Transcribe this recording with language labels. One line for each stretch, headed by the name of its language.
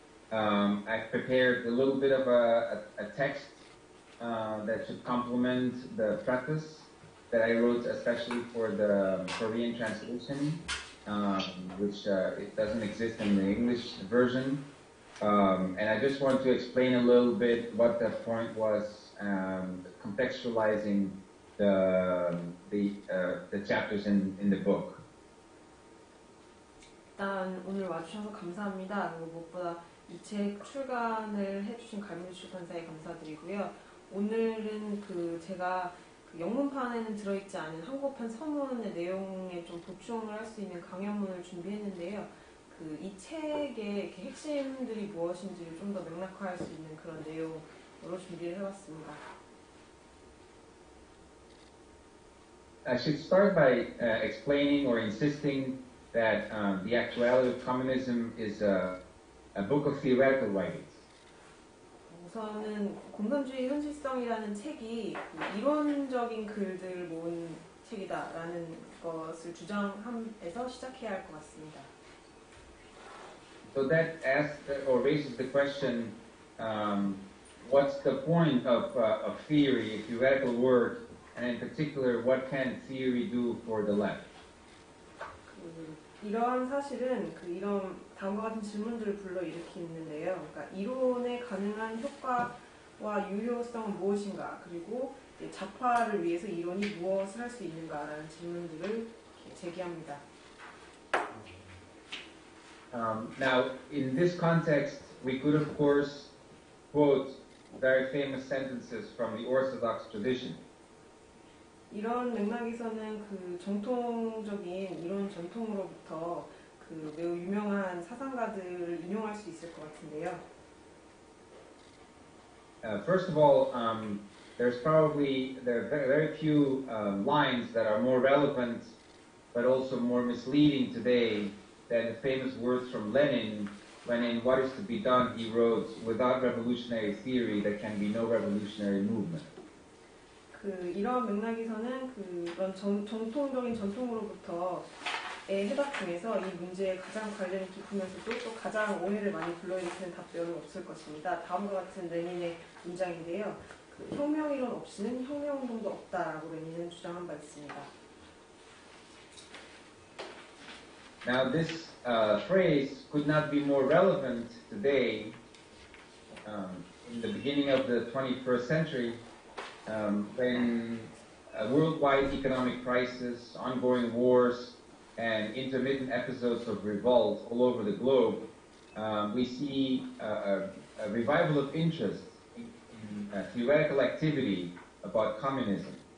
English: I've prepared a little bit of a text that should complement the preface that I wrote especially for the Korean translation, which it doesn't exist in the English version. And I just want to explain a little bit what the point was, contextualizing the chapters in the book.
Korean: 일단 오늘 와주셔서 감사합니다. 그리고 무엇보다 이 책 출간을 해주신 갈무리 출판사에 감사드리고요. 오늘은 그 제가 그 영문판에는 들어있지 않은 한국판 서문의 내용에 좀 보충을 할 수 있는 강연문을 준비했는데요. 그 이 책의 핵심들이 무엇인지를 좀 더 명확화할 수 있는 그런 내용으로 준비를 해봤습니다.
English: I should start by explaining or insisting that The Actuality of Communism is a book of theoretical writings.
Korean: 우선은 공산주의 현실성이라는 책이 이론적인 글들을 모은 책이다라는 것을 주장함에서 시작해야 할 것 같습니다.
English: So that asks or raises the question, what's the point of theory, a theoretical work, and in particular, what can theory do for the left?
Korean: 이러한 사실은 그 이런 다음과 같은 질문들을 불러일으키는데요. 그러니까 이론의 가능한 효과와 유효성은 무엇인가, 그리고 좌파를 위해서 이론이 무엇을 할 수 있는가라는 질문들을 제기합니다.
English: Now, in this context, we could, of course, quote very famous sentences from the Orthodox tradition.
Korean: 이런 맥락에서는 그 정통적인 이론 전통으로부터 그 매우 유명한 사상가들을 인용할 수 있을 것 같은데요.
English: First of all, there are very few lines that are more relevant, but also more misleading today. Than the famous words from Lenin, when in What is to be Done, he wrote, without revolutionary theory, there can be no revolutionary movement.
Korean: 그 이런 맥락에서는 그런 전통적인 전통으로부터의 해답 중에서 이 문제에 가장 관련이 깊으면서도 또 가장 오해를 많이 불러일으키는 답변은 없을 것입니다. 다음과 같은 레닌의 문장인데요. 그 혁명이론 없이는 혁명운동도 없다라고 레닌은 주장한 바 있습니다.
English: Now this phrase could not be more relevant today in the beginning of the 21st century when a worldwide economic crisis, ongoing wars, and intermittent episodes of revolt all over the globe, we see a revival of interest in theoretical activity about communism.